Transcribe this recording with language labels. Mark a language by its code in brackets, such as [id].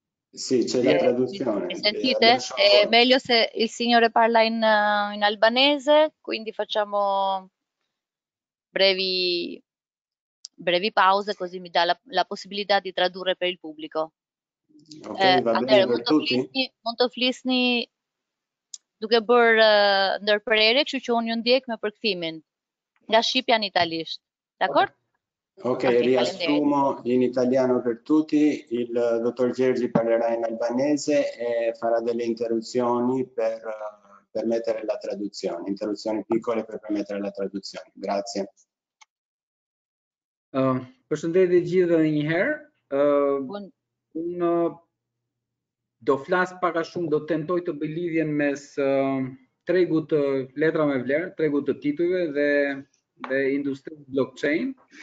[it] Sì, c'è la traduzione. Mi sentite? È meglio se il signore parla in albanese, quindi facciamo brevi pause, così mi dà la possibilità di tradurre per il pubblico. Ok, va bene, per tutti. [sq] Monto flisni duke bër ndërprerje, kështu që unë ju ndjek me përkthimin nga shqipja në italisht. [fr] D'accord? [it] Ok, riassumo in italiano per tutti. Il dottor Gergi parlerà in albanese e farà delle interruzioni per permettere la traduzione, interruzioni piccole per permettere la traduzione. Grazie. [sq] Përshëndetje të gjithë edhe një herë. Unë do flas pak a shumë, do tentoj të bëj lidhjen mes tregut të letra me vlerë, tregut të titujve dhe industrisë blockchain.